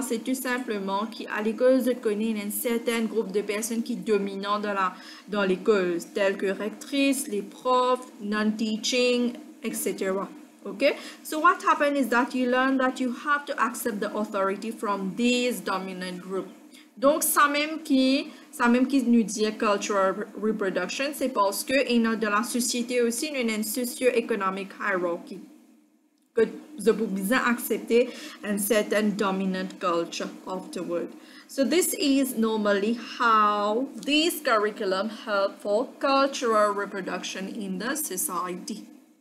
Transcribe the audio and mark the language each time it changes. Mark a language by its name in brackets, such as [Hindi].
[French] C'est tout simplement qui à l'école de connaître un certain groupe de personnes qui dominent dans l'école, telles que rectrice, les profs, non-teaching, etc. [English] Okay, so what happened is that you learn that you have to accept the authority from this dominant group. [French] Donc, ça même qui nous dit cultural reproduction, c'est parce que dans la société aussi, nous avons une socio-economic hierarchy. Que nous avons besoin d'accepter une certaine dominant culture afterward. [English] So this is normally how this curriculum helps for cultural reproduction in the society.